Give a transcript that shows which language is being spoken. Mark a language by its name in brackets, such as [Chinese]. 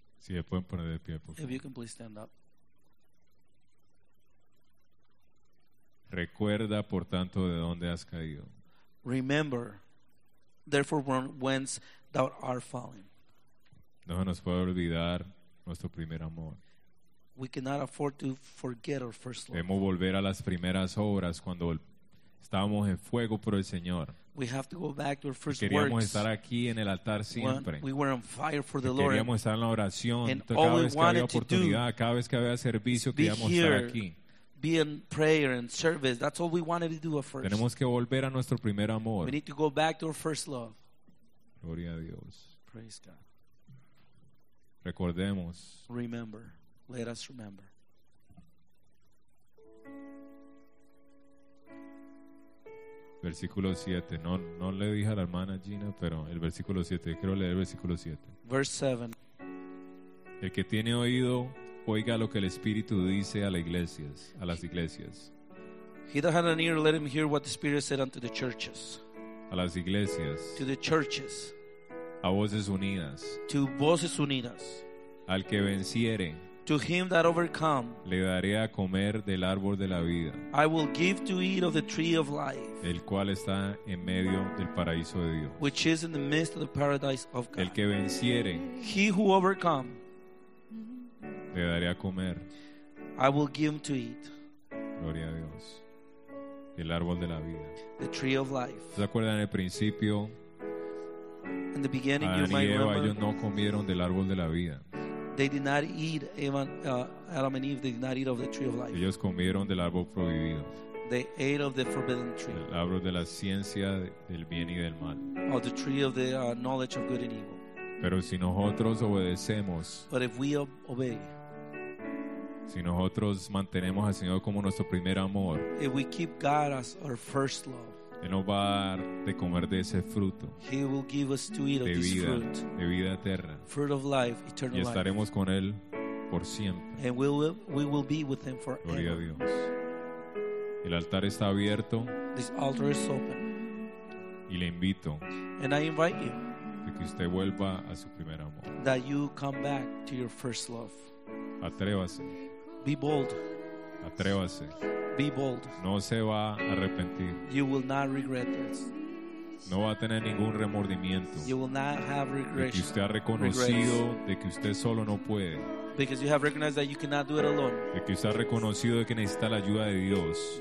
[Spanish] Si me pueden poner de pie, por favor. [English] If you can please stand up. [Spanish] Recuerda, por tanto, de dónde has caído. [English] Remember, therefore, from whence thou art fallen. [Spanish] No se nos puede olvidar nuestro primer amor. [English] We cannot afford to forget our first love. [Spanish] Debemos volver a las primeras obras cuando estábamos en fuego por el Señor. [English] We have to go back to our first [Spanish] queríamos [English] works. [Spanish] Queríamos estar aquí en el altar siempre. [English] We were on fire for the [Spanish] queríamos [English] Lord. [Spanish] Queríamos estar en la oración. Cada vez que había oportunidad, cada vez que había servicio, queríamos [English] here, [Spanish] estar aquí. [English] Be in prayer and service. That's all we wanted to do at first. [Spanish] Tenemos que volver a nuestro primer amor. [English] We need to go back to our first love. [Spanish] Gloria a Dios. [English] Praise God. [Spanish] Recordemos. [English] Remember. Let us remember. [Spanish] Versículo 7. No le dije a la hermana Gina, pero el versículo 7. Quiero leer el versículo 7. [English] Verse 7. [Spanish] El que tiene oído, oiga lo que el Espíritu dice a las iglesias. A las iglesias. [English] He that had an ear, let him hear what the Spirit said unto the churches. [Spanish] A las iglesias. [English] To the churches. [Spanish] A voces unidas. To voces unidas. Al que venciere. [English] To him that overcome, [Spanish] le daré a comer del árbol de la vida. [English] I will give to eat of the tree of life. [Spanish] El cual está en medio del paraíso de Dios. [English] Which is in the midst of the paradise of God. [Spanish] El que venciere. [English] He who overcome. [Spanish] Le daré a comer. [English] I will give him to eat. [Spanish] Gloria a Dios. El árbol de la vida. [English] The tree of life. [Spanish] ¿Se acuerdan el principio? [English] In the beginning, you might remember. [Spanish] Ellos no comieron del árbol de la vida. [English] They did not eat, even Adam and Eve, they did not eat of the tree of life. [Spanish] Ellos comieron del árbol prohibido. [English] They ate of the forbidden tree. [Spanish] El árbol de la ciencia del bien y del mal. [English] Of the tree of the knowledge of good and evil. [Spanish] Pero si nosotros obedecemos. [English] But if we obey. [Spanish] Si nosotros mantenemos al Señor como nuestro primer amor. [English] If we keep God as our first love. [Spanish] Él nos va a dar de comer de ese fruto. [English] He will give us to eat of this [Spanish] vida, [English] fruit. [Spanish] De vida eterna. [English] Fruit of life, eternal life. [Spanish] Y estaremos [English] life. [Spanish] Con Él por siempre. [English] And we will be with Him forever. [Spanish] Gloria a Dios. El altar está abierto. [English] This altar is open. [Spanish] Y le invito. [English] And I invite you. [Spanish] De que usted vuelva a su primer amor. [English] That you come back to your first love. [Spanish] Atrévase. [English] Be bold. [Spanish] Atrévase. [English] Be bold. [Spanish] No se va a arrepentir. [English] You will not regret this. [Spanish] No va a tener ningún remordimiento. [English] You will not have regret. [Spanish] De que usted ha reconocido de que usted solo no puede. [English] Because you have recognized that you cannot do it alone. [Spanish] De que usted ha reconocido de que necesita la ayuda de Dios.